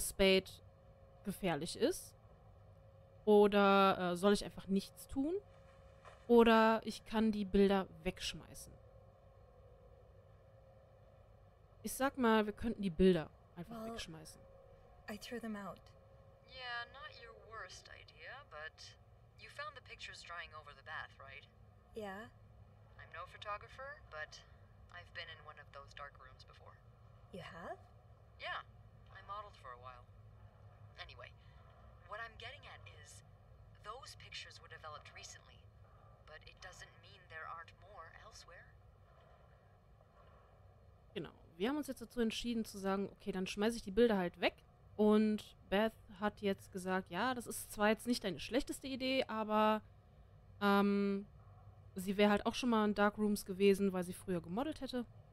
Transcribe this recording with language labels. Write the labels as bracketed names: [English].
[German] Spade gefährlich ist? Oder soll ich einfach nichts tun? Oder ich kann die Bilder wegschmeißen? Ich sag mal, wir könnten die Bilder einfach wegschmeißen. [English] I threw them out. Yeah, not your worst idea, but you found the pictures drying over the bath, right? Yeah. I'm no photographer, but I've been in one of those dark rooms before. You have? Yeah. I modeled for a while. Anyway, what I'm getting at is those pictures were developed recently, but it doesn't mean there aren't more elsewhere. [German] Genau. Wir haben uns jetzt dazu entschieden zu sagen, okay, dann schmeiße ich die Bilder halt weg. Und Beth hat jetzt gesagt, ja, das ist zwar jetzt nicht deine schlechteste Idee, aber sie wäre halt auch schon mal in Dark Rooms gewesen, weil sie früher gemodelt hätte.